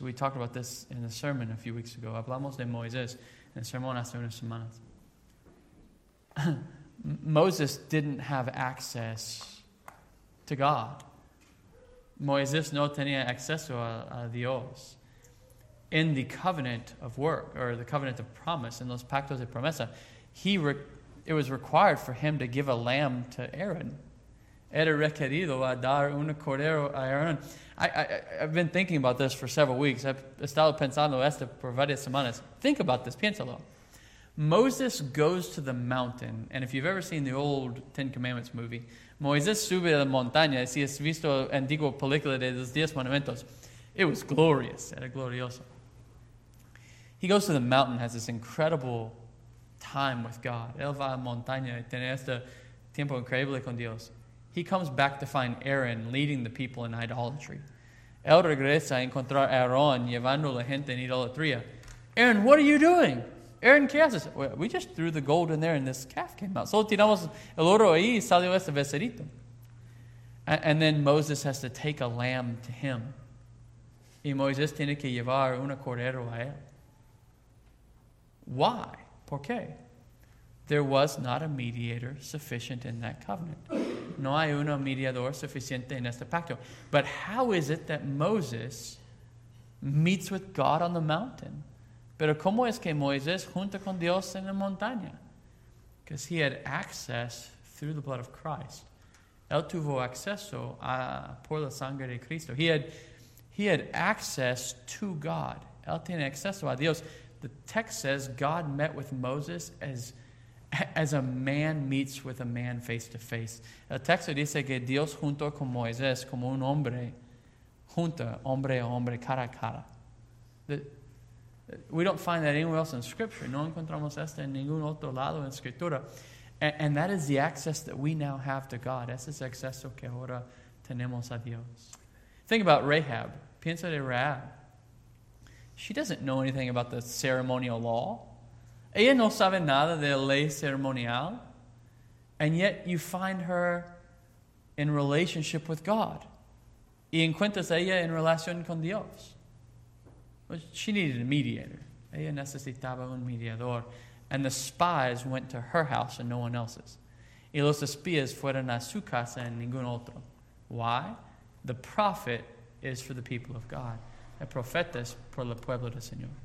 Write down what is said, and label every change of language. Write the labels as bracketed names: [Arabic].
[English] We talked about this in the sermon a few weeks ago. [Spanish] Hablamos de Moisés en el sermón hace unas semanas. [English] Moses didn't have access to God. [Spanish] Moisés no tenía acceso a Dios. [English] In the covenant of work, or the covenant of promise, in [Spanish] los pactos de promesa, [English] it was required for him to give a lamb to Aaron. [Spanish] Era requerido a dar un cordero a Aaron. [English] I've been thinking about this for several weeks. I've [Spanish] estado pensando esto por varias semanas. [English] Think about this, [Spanish] piénsalo. [English] Moses goes to the mountain, and if you've ever seen the old Ten Commandments movie, [Spanish] Moisés sube a la montaña. Si has visto la antigua película de los 10 mandamientos, [English] it was glorious. [Spanish] Era glorioso. [English] He goes to the mountain, has this incredible time with God. [Spanish] Él va a la montaña y tiene este tiempo increíble con Dios. [English] He comes back to find Aaron leading the people in idolatry. [Spanish] Él regresa a encontrar a Aaron llevando a la gente en idolatría. [English] Aaron, what are you doing? Aaron, [Spanish] ¿qué haces? [English] We just threw the gold in there and this calf came out. [Spanish] Solo tiramos el oro ahí y salió este becerito. [English] And then Moses has to take a lamb to him. [Spanish] Y Moisés tiene que llevar un cordero a él. [English] Why? [Spanish] ¿Por qué? [English] There was not a mediator sufficient in that covenant. [Spanish] No hay un mediador suficiente en este pacto. [English] But how is it that Moses meets with God on the mountain? [Spanish] Pero cómo es que Moisés junta con Dios en la montaña? [English] Because he had access through the blood of Christ. [Spanish] Él tuvo acceso por la sangre de Cristo. [English] He had access to God. [Spanish] Él tiene acceso a Dios. [English] The text says God met with Moses as a man meets with a man face to face. [Spanish] El texto dice que Dios junto con Moisés como un hombre junta hombre a hombre cara a cara. [English] We don't find that anywhere else in Scripture. [Spanish] No encontramos esto en ningún otro lado en Escritura. [English] And that is the access that we now have to God. [Spanish] Ese es el acceso que ahora tenemos a Dios. [English] Think about Rahab. [Spanish] Piensa de Rahab. [English] She doesn't know anything about the ceremonial law. [Spanish] Ella no sabe nada de la ley ceremonial. [English] And yet you find her in relationship with God. [Spanish] Y encuentras ella en relación con Dios. [English] She needed a mediator. [Spanish] Ella necesitaba un mediador. [English] And the spies went to her house and no one else's. [Spanish] Y los espías fueron a su casa y ningún otro. [English] Why? The prophet is for the people of God. [Spanish] El profeta es por el pueblo del Señor.